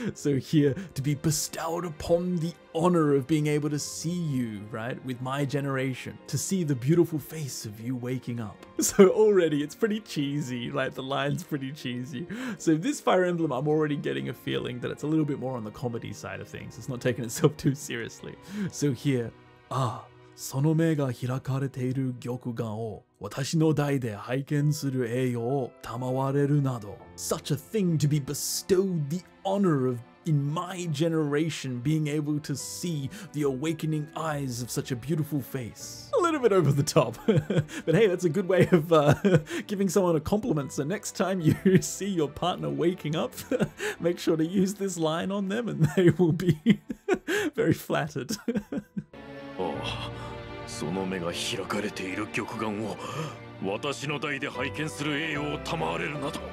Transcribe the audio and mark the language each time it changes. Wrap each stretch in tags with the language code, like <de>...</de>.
<en>So here, to be bestowed upon the honor of being able to see you, right? With my generation, to see the beautiful face of you waking up. So already it's pretty cheesy, right? The line's pretty cheesy. So this Fire Emblem, I'm already getting a feeling that it's a little bit more on the comedy side of things. It's not taking itself too seriously. So here,</en> <ja>その目が開かれている玉眼を私の代で拝見する栄誉を賜れるなど。</ja> <en>Such a thing to be bestowed the honor of in my generation being able to see the awakening eyes of such a beautiful face. A little bit over the top. But hey, that's a good way of giving someone a compliment. So next time you see your partner waking up, make sure to use this line on them and they will be very flattered.</en> <ja>その目が開かれている玉眼を私の代で拝見する栄誉を賜れるなど。</ja>